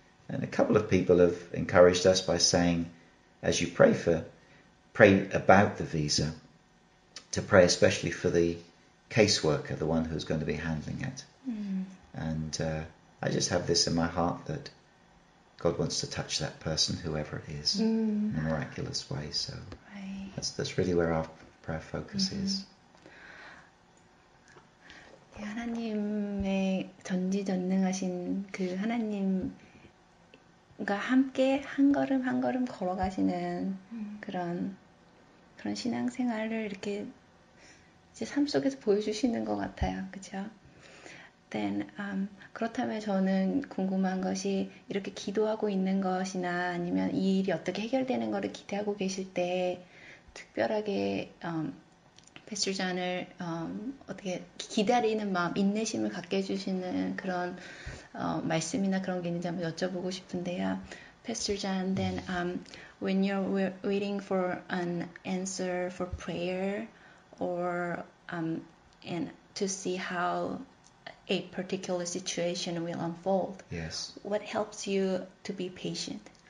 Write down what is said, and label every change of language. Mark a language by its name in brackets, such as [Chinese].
[English] And a couple of people have encouraged us by saying, as you pray about the visa, to pray especially for the caseworker, the one who's going to be handling it. And I just have this in my heart that God wants to touch that person, whoever it is, in a miraculous way. So that's really where our prayer focus is. [Korean] 하나님의 전지전능하신 그 하나님과 함께 한 걸음 한 걸음 걸어가시는 그런 신앙생활을 이렇게 이제 삶 속에서 보여주시는 것 같아요. 그죠? [English] Then, [Korean] 그렇다면 저는 궁금한 것이 이렇게 기도하고 있는 것이나 아니면 이 일이 어떻게 해결되는 것을 기대하고 계실 때 특별하게 패스터 존을 어떻게 기다리는 마음, 인내심을 갖게 해주시는 그런 말씀이나 그런 게 있는지 한번 여쭤보고 싶은데요. [English] 패스터 존, then when you're waiting for an answer for prayer or and to see how a particular situation will unfold, yes, what helps you to be patient?